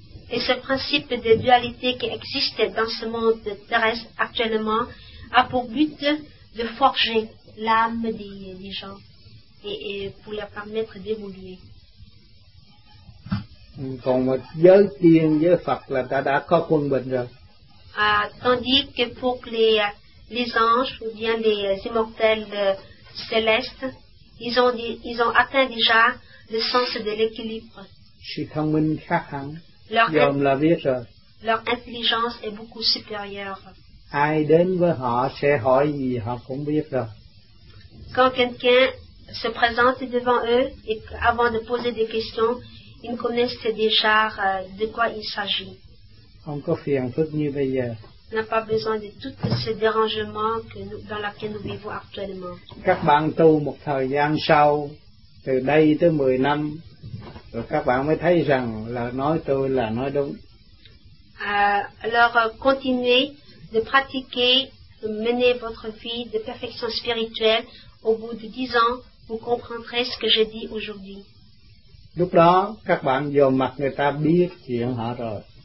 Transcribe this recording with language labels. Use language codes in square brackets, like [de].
[fr] Et ce principe de dualité qui existe dans ce monde terrestre actuellement a pour but de forger l'âme des gens. Et pour leur permettre d'évoluer. [vi] Còn một giới tiên giới Phật là ta đã có quân bình rồi. [fr] Tandis que pour les anges ou bien les immortels célestes, ils ont atteint déjà le sens de l'équilibre. [vi] Sự thông minh khác hẳn. Dòm là biết rồi. [fr] Leur intelligence est beaucoup supérieure. [vi] Ai đến với họ sẽ hỏi gì họ cũng biết rồi. [fr] Quand quelqu'un se présentent devant eux et avant de poser des questions, ils connaissent déjà de quoi il s'agit. On n'a pas besoin de tout ce dérangement que nous, dans lequel nous vivons actuellement. [vi] Các bạn tu một thời gian sau, từ đây tới 10 năm, rồi các bạn mới thấy rằng là nói tôi là nói đúng. [fr] Alors, continuez de pratiquer, de mener votre vie de perfection spirituelle, au bout de 10 ans, vous comprendrez ce que je dis aujourd'hui. [vi] Lúc đó, các bạn vô mặt người ta biết chuyện họ rồi.